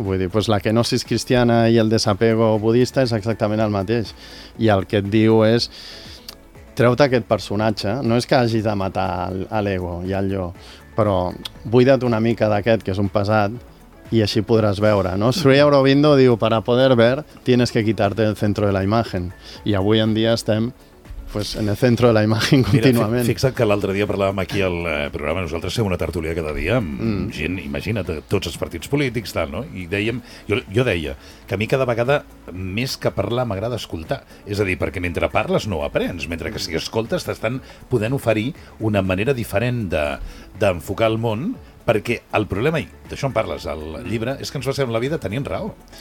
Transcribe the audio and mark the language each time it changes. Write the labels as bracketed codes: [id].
[ca] Vull dir, pues, la kenosis cristiana i el desapego budista és exactament el mateix. I el que et diu és, treu-te aquest personatge, no és que hagis de matar l'ego i el jo, però buida't una mica d'aquest, que és un pesat, i així podràs veure, no? Sri Aurobindo diu, [es] para poder ver, tienes que quitarte el centro de la imagen. [ca] I avui en dia estem... [es] Pues en el centro de la imagen continuament. [ca] Fixa't que l'altre dia parlàvem aquí al programa, nosaltres fem una tertúlia cada dia amb gent, imagina't, tots els partits polítics, tal, no? I dèiem, jo deia que a mi cada vegada, més que parlar, m'agrada escoltar. És a dir, perquè mentre parles no aprens, mentre que si escoltes t'estan podent oferir una manera diferent d'enfocar el món, perquè el problema, i d'això en parles al llibre, és que ens va ser en la vida tenint raó.